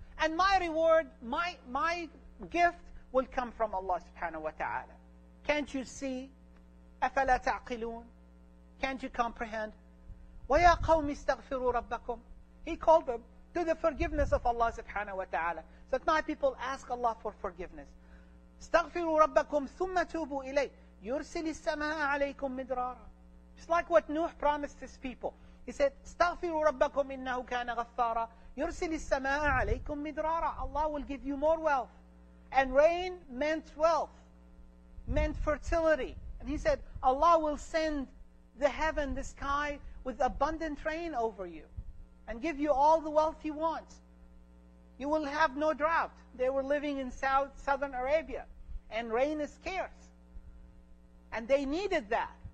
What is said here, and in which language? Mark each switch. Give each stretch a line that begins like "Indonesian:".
English: And my reward, my gift will come from Allah subhanahu wa ta'ala. Can't you see?
Arabic: أَفَلَا تَعْقِلُونَ.
English: Can't you comprehend?
Arabic: وَيَا قَوْمِ اسْتَغْفِرُوا رَبَّكُمْ.
English: He called them to the forgiveness of Allah subhanahu wa ta'ala. So that my people ask Allah for forgiveness.
Arabic: استغفروا ربكم ثم توبوا إليه يرسل السماء عليكم مدرارا.
English: It's like what Nuh promised his people. He said,
Arabic: استغفروا ربكم إنه كان غفارا يرسل السماء عليكم مدرارا.
English: Allah will give you more wealth. And rain meant wealth, meant fertility. And he said, Allah will send the heaven, the sky, with abundant rain over you, and give you all the wealth you want. You will have no drought. They were living in southern Arabia, and rain is scarce. And they needed that.